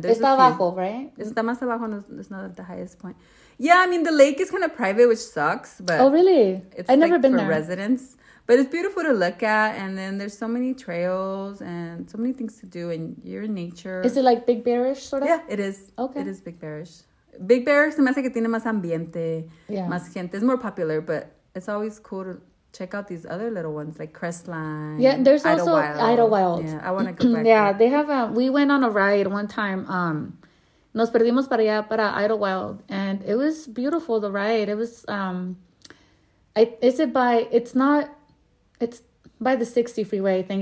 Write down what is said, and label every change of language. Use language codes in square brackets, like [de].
[en] There's [es] está abajo, [en] right? [es] Está más abajo, [en] it's not at the highest point. Yeah, I mean the lake is kind of private, which sucks, but oh really? It's I've like never been for there. Residents. But it's beautiful to look at, and then there's so many trails and so many things to do, and you're in nature. Is it like Big Bearish sort of? Yeah, it is. Okay. It is Big Bearish. [es] Big Bearish se me hace que tiene más ambiente, más gente. [en] It's more popular, but it's always cool to check out these other little ones, like Crestline. Yeah, there's also Idlewild. Yeah, I want to go back. Yeah, there. They have a, we went on a ride one time. [es] Nos perdimos para allá, para Idlewild, [en] and it was beautiful, the ride. It was, it's by the 60 freeway, I think.